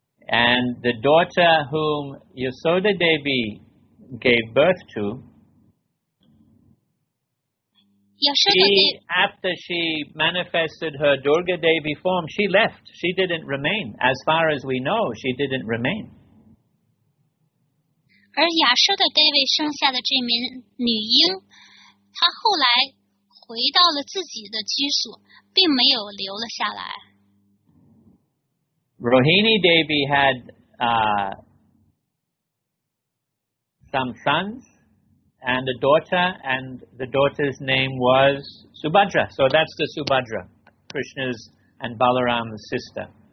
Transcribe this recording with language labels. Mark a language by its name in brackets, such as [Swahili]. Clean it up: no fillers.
[English] And the daughter whom Yasoda Devi gave birth to, she, after she manifested her Durga Devi form, she left. She didn't remain. As far as we know, she didn't remain. [Chinese] 而亚瑟的 Devi 生下的这名女婴，她后来回到了自己的居所，并没有留了下来。 [English] Rohini Devi had some sons and a daughter, and the daughter's name was Subhadra. So that's the Subhadra, Krishna's and Balaram's sister.